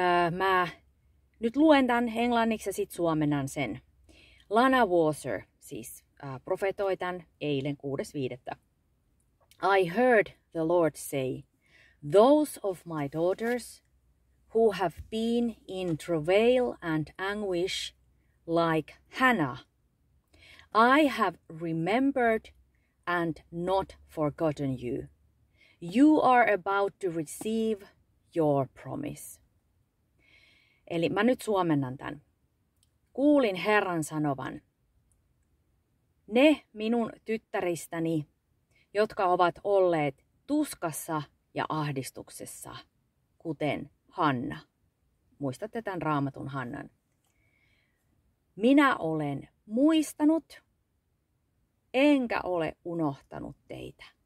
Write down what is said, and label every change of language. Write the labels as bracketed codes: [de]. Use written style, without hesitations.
[fi] Mä nyt luen tämän englanniksi ja sitten suomennan sen. Lana Wasser, siis profetoi tämän eilen 6.5. [en] I heard the Lord say, those of my daughters who have been in travail and anguish like Hannah, I have remembered and not forgotten you. You are about to receive your promise. [fi] Eli mä nyt suomennan tämän. Kuulin Herran sanovan, ne minun tyttäristäni, jotka ovat olleet tuskassa ja ahdistuksessa, kuten Hanna. Muistatte tämän Raamatun Hannan. Minä olen muistanut, enkä ole unohtanut teitä.